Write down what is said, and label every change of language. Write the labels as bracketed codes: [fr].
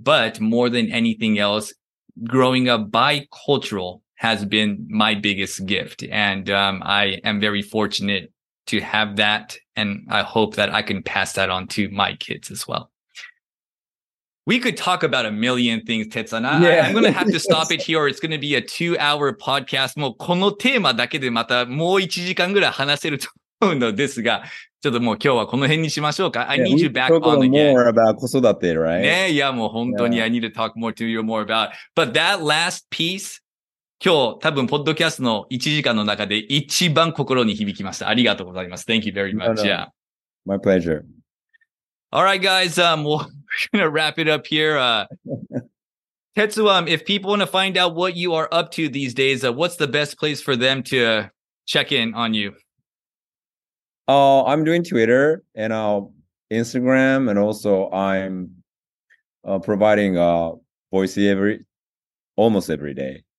[en] But more than anything else, growing up bicultural has been my biggest gift. And I am very fortunate to have that. And I hope that I can pass that on to my kids as well. We could talk about a million things, Tetsu. I'm going to have to stop it here. It's going to be a two-hour podcast. [ja] もうこのテーマだけでまたもう1時間ぐらい話せると思うのですが、ちょっともう今日はこの辺にしましょうか。 [en] I need you back on again. More about 子育て, right? [ja] ねえ、いやもう本当に [en] I need to talk more to you more about. But that last piece, [ja] 今日多分ポッドキャストの1時間の中で一番心に響きました。ありがとうございます。 [en] Thank you very much. Yeah. My pleasure. All right, guys. We're going to wrap it up here. Tetsu, if people want to find out what you are up to these days, what's the best place for them to check in on you? I'm doing Twitter and Instagram, and also I'm providing a voice almost every day.